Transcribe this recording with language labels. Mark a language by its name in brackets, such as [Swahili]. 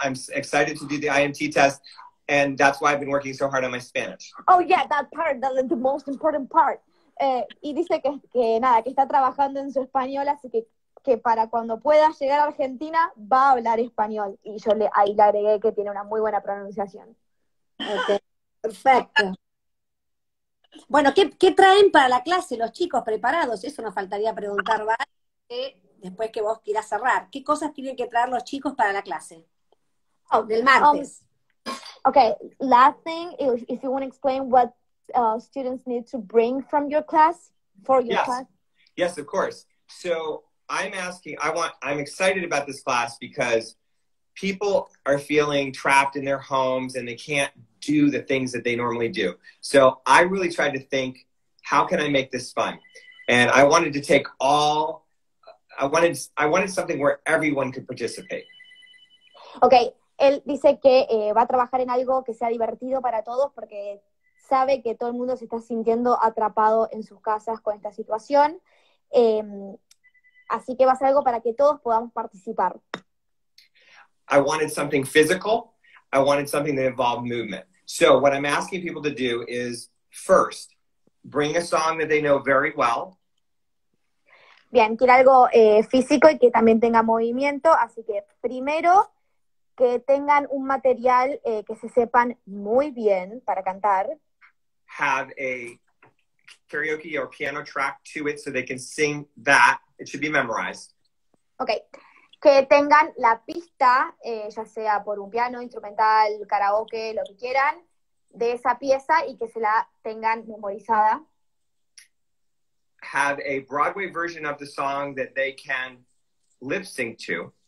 [English] I'm excited to do the IMT test, and that's why I've been working so hard on my Spanish. Oh yeah, that part, that's the most important part. [Spanish] Y dice que nada, que está trabajando en su español, así que para cuando pueda llegar a Argentina va a hablar español. Y yo le agregué que tiene una muy buena pronunciación. Okay. Perfecto. Bueno, ¿qué traen para la clase los chicos preparados? Eso nos faltaría preguntar, ¿vale? Después que vos quieras cerrar. ¿Qué cosas tienen que traer los chicos para la clase? Oh, del martes. [English] Okay, last thing, if you want to explain what students need to bring from your class, for your class. Yes, of course. So I'm excited about this class because people are feeling trapped in their homes and they can't do the things that they normally do. So I really tried to think, how can I make this fun? And I wanted to take all, I wanted something where everyone could participate. [Spanish] Okay, él dice que va a trabajar en algo que sea divertido para todos porque sabe que todo el mundo se está sintiendo atrapado en sus casas con esta situación. Así que va a ser algo para que todos podamos participar. [English] I wanted something physical. I wanted something that involved movement. So what I'm asking people to do is first, bring a song that they know very well. [Spanish] Bien, quiere algo físico y que también tenga movimiento, así que primero que tengan un material que se sepan muy bien para cantar. [English] Have a karaoke or piano track to it so they can sing that. It should be memorized. Okay. [Spanish] Que tengan la pista, ya sea por un piano, instrumental, karaoke, lo que quieran, de esa pieza y que se la tengan memorizada. [English] Have a Broadway version of the song that they can lip sync to.